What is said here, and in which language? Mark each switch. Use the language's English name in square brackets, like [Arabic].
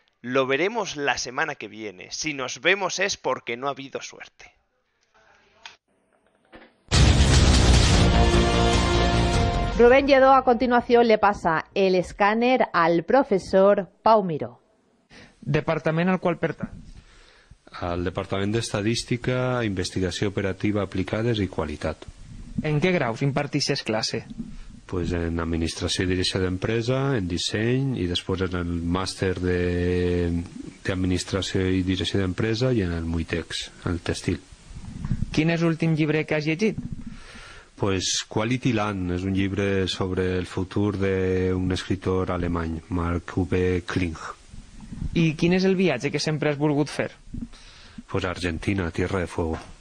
[Spanish] Lo veremos la semana que viene. Si nos vemos es porque no ha habido suerte. Rubén Lledó, a continuación le pasa el escáner al profesor Pau Miró. [Catalan] Departament al qual pertany. Al Departament d'Estadística, Investigació Operativa Aplicades i Qualitat. En què graus imparteixes classe? Pues en Administració i Direcció d'Empresa, en Disseny, i després en el Màster d'Administració i Direcció d'Empresa i en el Muitex, el Textil. Quin és l'últim llibre que has llegit? Pues Quality Land, és un llibre sobre el futur d'un escriptor alemany, Mark V. Kling. I quin és el viatge que sempre has volgut fer? Pues Argentina, Tierra de Fuego.